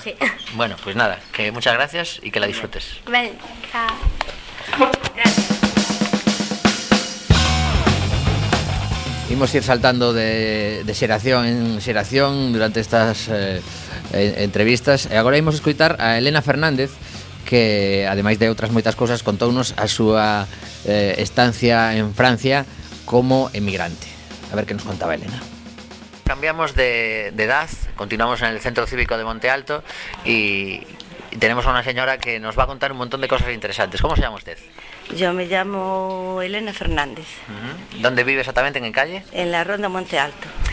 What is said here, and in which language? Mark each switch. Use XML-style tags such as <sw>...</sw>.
<es>Sí. Bueno, pues nada, que muchas gracias y que la disfrutes. Gracias.</es> <gl>Vimos ir saltando de xeración en xeración durante estas entrevistas. E agora imos escoitar a Elena Fernández, que ademais de outras moitas cousas contounos a súa estancia en Francia como emigrante. A ver que nos contaba Elena.</gl> <es>Cambiamos de edad, continuamos en el Centro Cívico de Monte Alto y tenemos a una señora que nos va a contar un montón de cosas interesantes. ¿Cómo se llama usted? Yo me llamo Elena Fernández. ¿Dónde vive exactamente? ¿En qué calle? En la Ronda Monte Alto.</es>